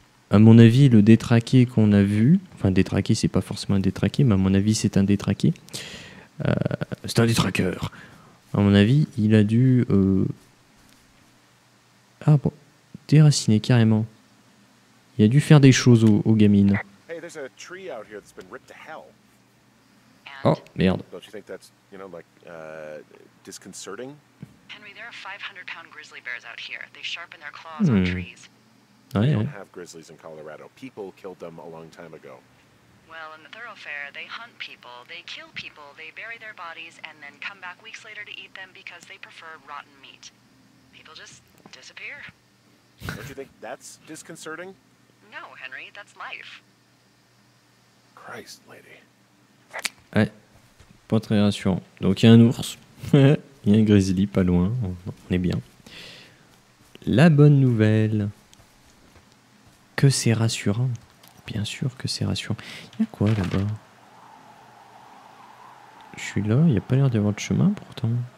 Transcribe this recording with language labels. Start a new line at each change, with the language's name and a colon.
French: À mon avis, le détraqué qu'on a vu... Enfin, détraqué, c'est pas forcément un détraqué, mais à mon avis, c'est un détraqué. C'est un détraqueur. À mon avis, il a dû... déraciner carrément. Il a dû faire des choses aux gamines.
English: there's a tree out here that's been ripped to hell. Oh, merde. Don't you think that's, you know, like, disconcerting? Henry, there are 500-pound grizzly bears out here. They sharpen their claws on trees. Oh, yeah. We don't have grizzlies in Colorado. People killed them a long time ago. Well, in the thoroughfare, they hunt people, they kill people, they bury their bodies, and then come back weeks later to eat them because they prefer rotten meat. People just disappear. Don't you think that's disconcerting? No, Henry, that's life. Christ, lady.
French: Ouais, pas très rassurant. Donc il y a un ours, il y a un grizzly pas loin, on est bien. La bonne nouvelle, que c'est rassurant. Bien sûr que c'est rassurant. Il y a quoi là-bas? Je suis là, il n'y a pas l'air d'avoir de chemin pourtant.